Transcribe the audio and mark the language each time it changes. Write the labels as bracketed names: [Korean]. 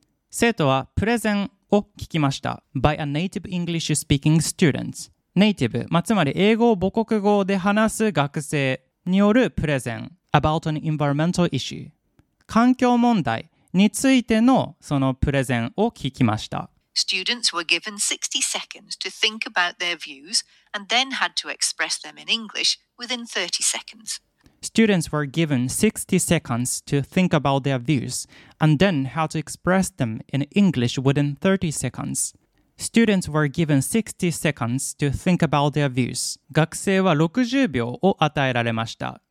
[Japanese] 生徒はプレゼンを聞きました。 [English] By a native English speaking student. [Japanese] Native、つまり英語を母国語で話す学生によるプレゼン。 [English] About an environmental issue. [Japanese] 環境問題。についてのそのプレゼンを聞きました。 [English] Students were given 60 seconds to think about their views and then had to express them in English within 30 seconds. Students were given 60 seconds to think about their views and then had to express them in English within 30 seconds. Students were given 60 seconds to think about their views. [Japanese] 学生は60秒を与えられました。